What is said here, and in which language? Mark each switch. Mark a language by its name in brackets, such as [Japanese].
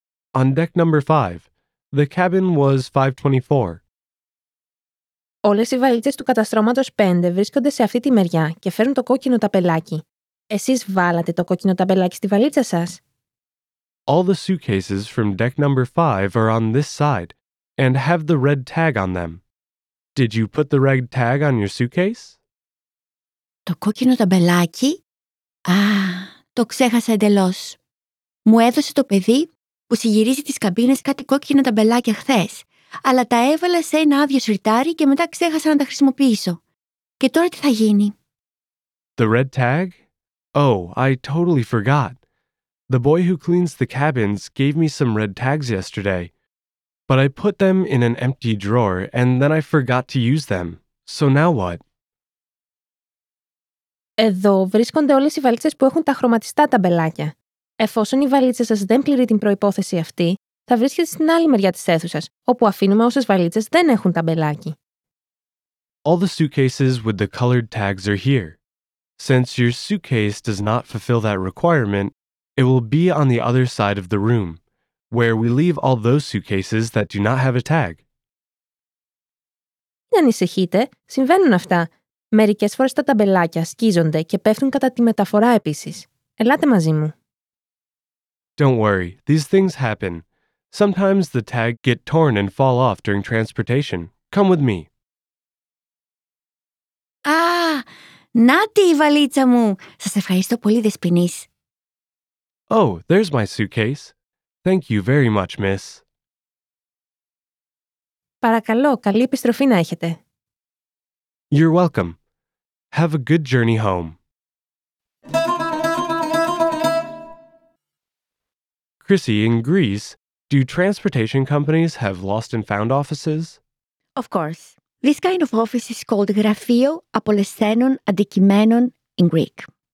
[English] On deck number 5, the cabin was 524. [Greek] Όλες οι βαλίτσες του καταστρώματος 5 βρίσκονται σε αυτή τη μεριά και φέρνουν το κόκκινο ταμπελάκι. Εσείς βάλατε το κόκκινο ταμπελάκι στη βαλίτσα σας? [English] All the suitcases from deck number 5 are on this side and have the red tag on them. Did you put the red tag on your suitcase? [Greek] Το κόκκινο ταμπελάκι? Α, το ξέχασα εντελώς. Μου έδωσε το παιδί που συγγυρίζει τις καμπίνες κάτι κόκκινα ταμπελάκια χθες. Αλλά τα έβαλα σε ένα άδειο σιρτάρι και μετά ξέχασα να τα χρησιμοποιήσω. Και τώρα τι θα γίνει? [English] The red tag? Oh, I totally forgot. The boy who cleans the cabins gave me some red tags yesterday. But I put them in an empty drawer and then I forgot to use them. So now what? [Greek] Εδώ βρίσκονται όλες οι βαλίτσες που έχουν τα χρωματιστά ταμπελάκια. Εφόσον η βαλίτσα σας δεν πληρεί την προϋπόθεση αυτή, θα βρίσκεται στην άλλη μεριά της αίθουσας, όπου αφήνουμε όσες βαλίτσες δεν έχουν ταμπελάκι. [English] All the suitcases with the colored tags are here. Since your suitcase does not fulfill that requirement, it will be on the other side of the room, where we leave all those suitcases that do not have a tag. [Greek] Μην ανησυχείτε, συμβαίνουν αυτά. Μερικές φορές τα ταμπελάκια σκίζονται και πέφτουν κατά τη μεταφορά επίσης. Ελάτε μαζί μου. [English] Don't worry, these things happen. Sometimes the tag get torn and fall off during transportation. Come with me. [Greek] Α, να τη η βαλίτσα μου! Σας ευχαριστώ πολύ, δεσποινής. [English] Oh, there's my suitcase. Thank you very much, miss. [Greek] Παρακαλώ, καλή επιστροφή να έχετε. [English] You're welcome. Have a good journey home. Chrissy, in Greece, do transportation companies have lost and found offices? Of course. This kind of office is called [Greek] γραφείο απολεσθένων αντικειμένων [English] in Greek.